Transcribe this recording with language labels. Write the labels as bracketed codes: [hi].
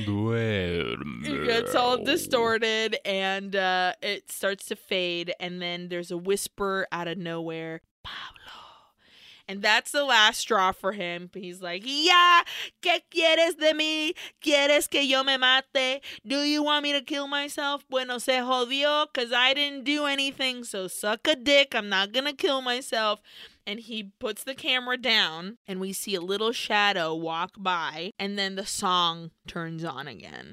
[en] It gets all distorted, and it starts to fade, and then there's a whisper out of nowhere. Pablo. And that's the last straw for him. [es] He's like, ya, ¿qué quieres de mí? ¿Quieres que yo me mate? [en] Do you want me to kill myself? Bueno, se jodió, because I didn't do anything. So suck a dick. I'm not going to kill myself. And he puts the camera down, and we see a little shadow walk by, and then the song turns on again.